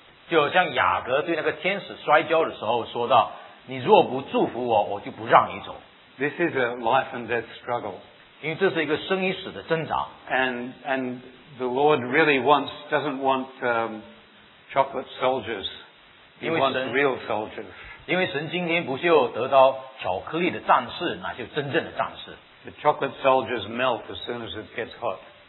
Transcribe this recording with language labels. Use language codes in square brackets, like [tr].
[zh] 就像雅各对那个天使摔跤的时候说道你若不祝福我我就不让你走. [en] This is a life and death struggle. [zh] 因为这是一个生与死的挣扎. [en] And the Lord really doesn't want chocolate soldiers. He wants real soldiers. [zh] 因为神今天不就得到巧克力的战士，那就真正的战士。 [en] The chocolate soldiers melt as soon as it gets hot.